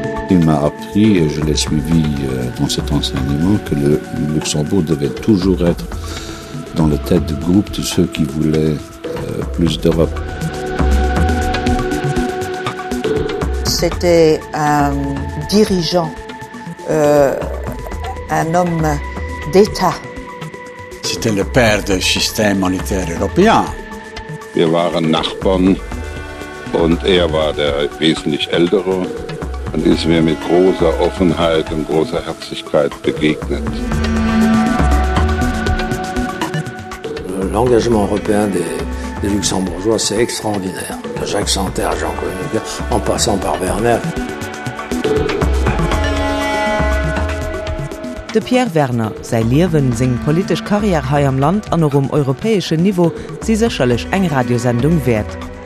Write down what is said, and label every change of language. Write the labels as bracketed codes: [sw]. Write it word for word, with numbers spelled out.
[fr] Il m'a appris, et je l'ai suivi dans cet enseignement, que le Luxembourg devait toujours être dans la tête du groupe de ceux qui voulaient plus d'Europe. C'était un dirigeant, euh, un homme d'État. C'était le père du système monétaire européen. [de] Wir waren Nachbarn und er war der wesentlich ältere. Und ist mir mit großer Offenheit und großer Herzlichkeit begegnet. [fr] L'engagement européen des, des Luxembourgeois, c'est extraordinaire. De Jacques Santerre à Jean-Claude Juncker, en passant par Werner. [de] De Pierre Werner, sein Leben, seine politische Karriere hier am Land an einem europäischen Niveau, sie sicherlich eine Radiosendung wert.